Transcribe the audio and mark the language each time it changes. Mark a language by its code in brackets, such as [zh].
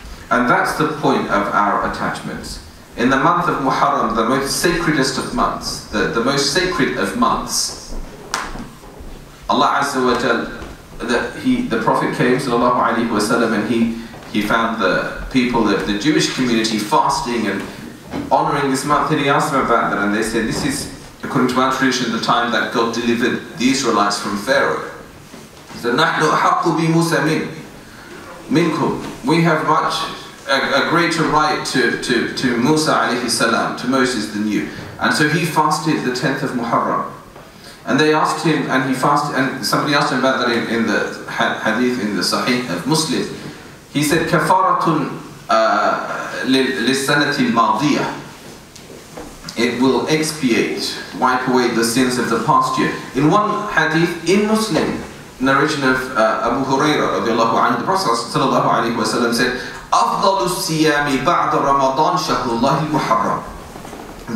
[en] And that's the point of our attachments. In the month of Muharram, the most sacredest of months, the most sacred of months, Allah Azza wa Jal, the Prophet came, sallallahu alayhi wa sallam, and he found the people of the Jewish community fasting and honoring this month, and he asked them about that, and they said, this is, according to our tradition, the time that God delivered the Israelites from Pharaoh. He said, [ar] نَحْنُ أَحَقُّ بِمُوسَى مِنْكُمْ. [en] We have much, a greater right to Musa alayhi salam, to Moses, than you. And so he fasted the 10th of Muharram. And they asked him, and he fasted, and somebody asked him about that in the hadith, in the Sahih of Muslim. He said, [ar] كَفَارَةٌ لِلسَّنَةِ الْمَاضِيَةِ. [en] It will expiate, wipe away the sins of the past year. In one hadith, in Muslim, narration of Abu Hurairah radiallahu anhu, the Prophet sallallahu alayhi wa sallam said, [ar] أَفْضَلُ السِّيَامِ بَعْدَ رَمَضَانْ شَهْرُ اللَّهِ مُحَرَّمُ.